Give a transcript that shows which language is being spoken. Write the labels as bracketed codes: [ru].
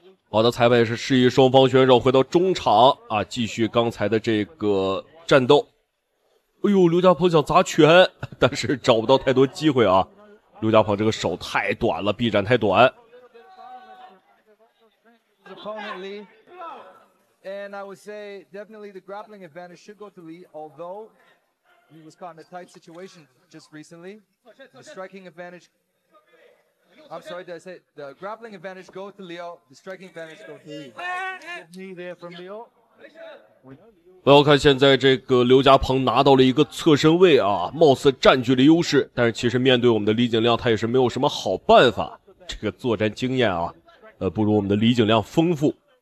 [zh] 好的，裁判也是示意双方选手回到中场啊，继续刚才的这个战斗。哎呦，刘家鹏想砸拳，但是找不到太多机会啊。刘家鹏这个手太短了，臂展太短。 [en] And I would say definitely the grappling advantage should go to Lee, although he was caught in a tight situation just recently. The striking advantage. I'm sorry, did I say the grappling advantage goes to Leo, the striking advantage goes to Lee. There from Leo. [zh] 我要看现在这个刘家鹏拿到了一个侧身位啊，貌似占据了优势，但是其实面对我们的李景亮，他也是没有什么好办法。这个作战经验啊，不如我们的李景亮丰富。